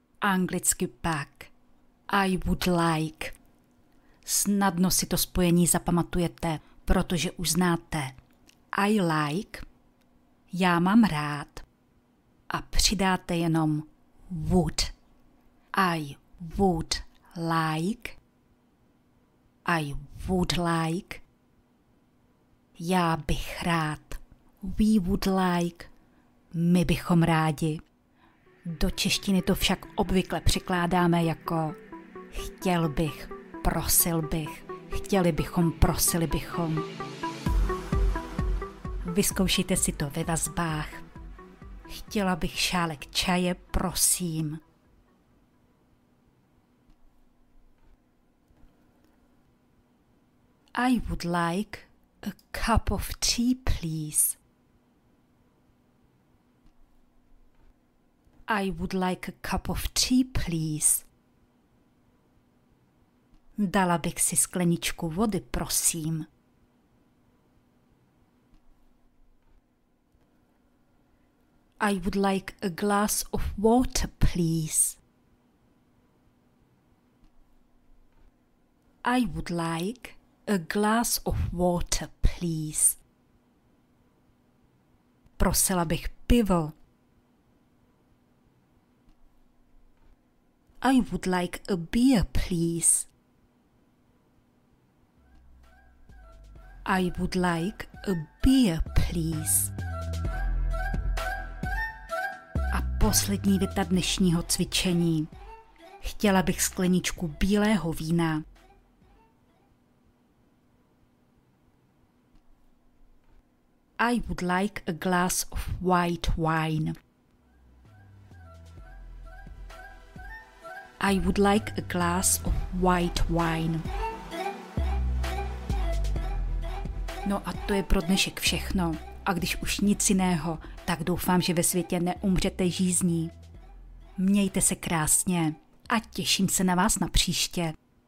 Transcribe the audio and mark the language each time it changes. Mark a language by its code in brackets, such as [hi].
[cs] Anglicky pak, [en] I would like. [cs] Snadno si to spojení zapamatujete, protože už znáte. [en] I like, [cs] já mám rád, a přidáte jenom would. [en] I would like, I would like, [cs] já bych rád, [en] we would like, [cs] my bychom rádi. Do češtiny to však obvykle překládáme jako chtěl bych, prosil bych, chtěli bychom, prosili bychom. Vyzkoušejte si to ve vazbách. Chtěla bych šálek čaje, prosím. [en] I would like a cup of tea, please. I would like a cup of tea, please. [cs] Dala bych si skleničku vody, prosím. [en] I would like a glass of water, please. I would like a glass of water, please. [cs] Prosila bych pivo. [en] I would like a beer, please. I would like a beer, please. [cs] A poslední věta dnešního cvičení. Chtěla bych skleničku bílého vína. [en] I would like a glass of white wine. I would like a glass of white wine. [cs] No a to je pro dnešek všechno. A když už nic jiného, tak doufám, že ve světě neumřete žízní. Mějte se krásně a těším se na vás na příště.